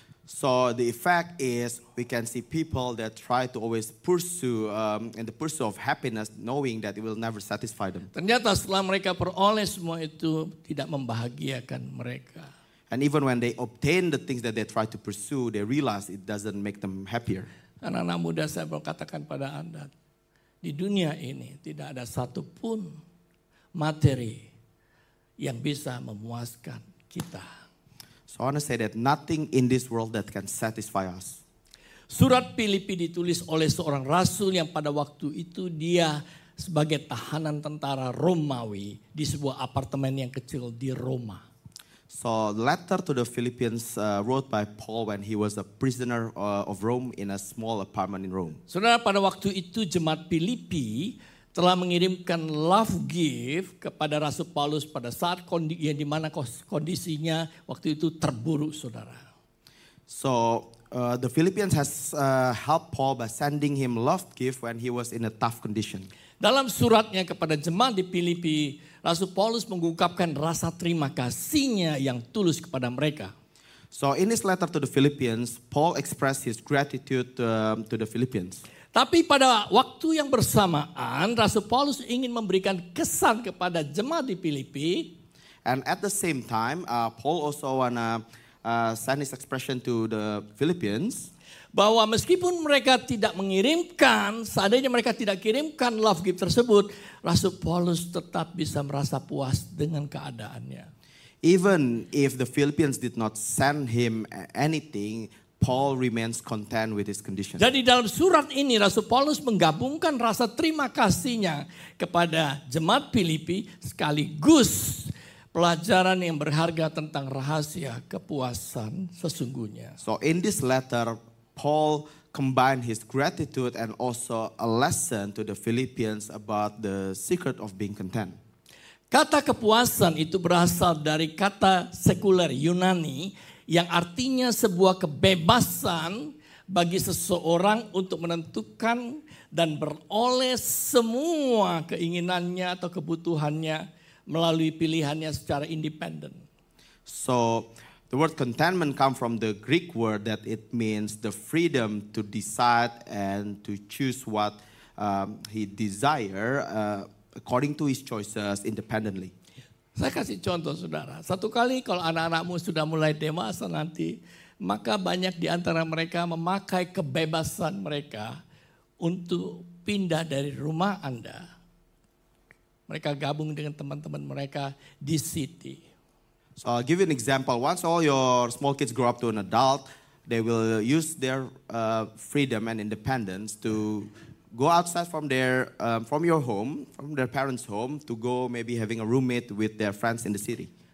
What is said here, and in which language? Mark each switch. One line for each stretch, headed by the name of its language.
English: So the effect is we can see people that try to always pursue in the pursuit of happiness, knowing that it will never satisfy them.
Indonesian: Ternyata setelah mereka peroleh semua itu tidak membahagiakan mereka.
English: And even when they obtain the things that they try to pursue, they realize it doesn't make them happier.
Indonesian: Anak-anak muda, saya mau katakan pada Anda, di dunia ini tidak ada satupun materi yang bisa memuaskan kita.
English: So I want to say that nothing in this world that can satisfy us.
Indonesian: Surat Filipi ditulis oleh seorang rasul yang pada waktu itu dia sebagai tahanan tentara Romawi di sebuah apartemen yang kecil di Roma.
English: So the letter to the Philippians wrote by Paul when he was a prisoner of Rome in a small apartment in Rome.
Indonesian: Saudara, pada waktu itu jemaat Filipi telah mengirimkan
English: love gift
Indonesian: kepada Rasul Paulus pada saat kondisinya waktu itu terburuk, saudara.
English: So the Philippians has helped Paul by sending him love gift when he was in a tough condition.
Indonesian: Dalam suratnya kepada jemaat di Filipi, Rasul Paulus mengungkapkan rasa terima kasihnya yang tulus kepada mereka.
English: So in his letter to the Philippians, Paul expressed his gratitude to the Philippians.
Indonesian: Tapi pada waktu yang bersamaan, Rasul Paulus ingin memberikan kesan kepada jemaat di Filipi.
English: And at the same time, Paul also wanna send his expression to the Philippians.
Indonesian: Bahwa meskipun mereka tidak mengirimkan, seandainya mereka tidak kirimkan
English: love gift
Indonesian: tersebut, Rasul Paulus tetap bisa merasa puas dengan keadaannya.
English: Even if the Philippians did not send him anything, Paul remains content with his condition.
Indonesian: Jadi dalam surat ini Rasul Paulus menggabungkan rasa terima kasihnya kepada jemaat Filipi sekaligus pelajaran yang berharga tentang rahasia kepuasan sesungguhnya.
English: So in this letter, Paul combined his gratitude and also a lesson to the Philippians about the secret of being content.
Indonesian: Kata kepuasan itu berasal dari kata sekuler Yunani yang artinya sebuah kebebasan bagi seseorang untuk menentukan dan beroleh semua keinginannya atau kebutuhannya melalui pilihannya secara independen.
English: So the word contentment come from the Greek word that it means the freedom to decide and to choose what he desire according to his choices independently.
Indonesian: Saya kasih contoh, saudara. Satu kali kalau anak-anakmu sudah mulai dewasa nanti, maka banyak di antara mereka memakai kebebasan mereka untuk pindah dari rumah Anda. Mereka gabung dengan teman-teman mereka di city.
English: So I'll give you an example. Once all your small kids grow up to an adult, they will use their freedom and independence to go outside from their from your home, from their parents' home, to go maybe having a roommate with their friends in the city.